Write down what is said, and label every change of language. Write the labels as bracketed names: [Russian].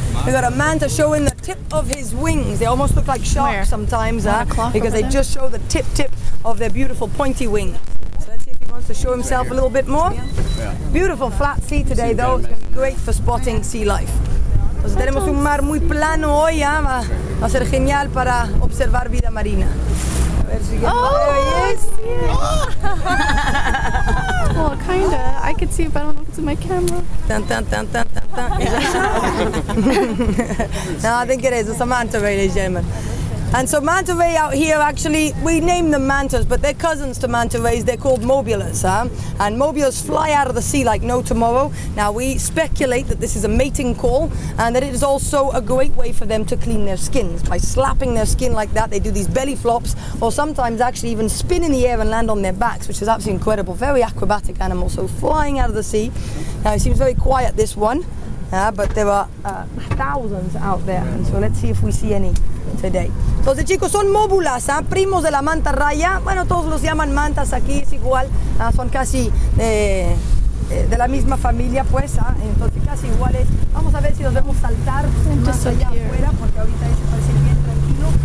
[English] We got a manta showing the tip of his wings. They almost look like sharks sometimes, because they just show the tip of their beautiful pointy wing. So let's see if he wants to show himself a little bit more. Beautiful flat sea today, though. It's going to be great for spotting sea life. [Spanish] Entonces tenemos un mar muy plano hoy, va a ser genial para observar vida marina. [English] Oh, well, kinda. I could see it, but I don't know if it's in my camera. Dun, dun, dun, dun, dun, dun. Is that a shark? No, I think it is. It's a manta ray, ladies and gentlemen. And so manta ray out here, actually, we name them mantas, but they're cousins to manta rays. They're called mobulas. And mobulas fly out of the sea like no tomorrow. Now, we speculate that this is a mating call and that it is also a great way for them to clean their skins. By slapping their skin like that, they do these belly flops or sometimes actually even spin in the air and land on their backs, which is absolutely incredible. Very acrobatic animal, so flying out of the sea. Now, it seems very quiet, this one. But there are thousands out there, and so let's see if we see any today. [Spanish] Entonces, chicos, son móbulas, primos de la manta raya. Bueno, todos los llaman mantas aquí, es igual. Son casi de la misma familia, pues. Entonces, casi iguales. Vamos a ver si los vemos saltar más allá afuera, porque ahorita parece bien tranquilo.